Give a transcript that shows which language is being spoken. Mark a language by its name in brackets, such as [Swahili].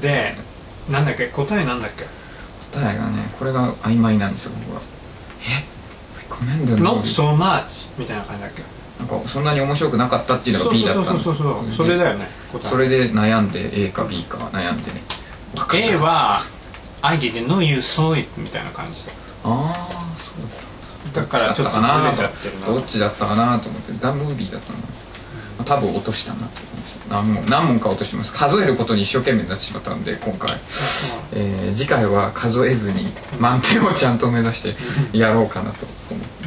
[Japanese] で、なんだっけ、答えなんだっけ。答えがね、これが曖昧なんですよ、僕は。 [English] Recommend a movie? Not so much [Japanese] みたいな感じだっけ。なんかそんなに面白くなかったっていうのが B だったんです。そうそうそうそう、それだよね。それで悩んで A か B か悩んで、ね、分かんない。 A は [English] I didn't know you saw it [Japanese] みたいな感じ。ああ、そうだった。だからちょっと崩れちゃってるな。どっちだったかなと思って、ダムービーだったな、うん、まあ、多分落としたなって思いました。何問か落とします。数えることに一生懸命になってしまったんで今回、次回は数えずに満点をちゃんと目指してやろうかなと思って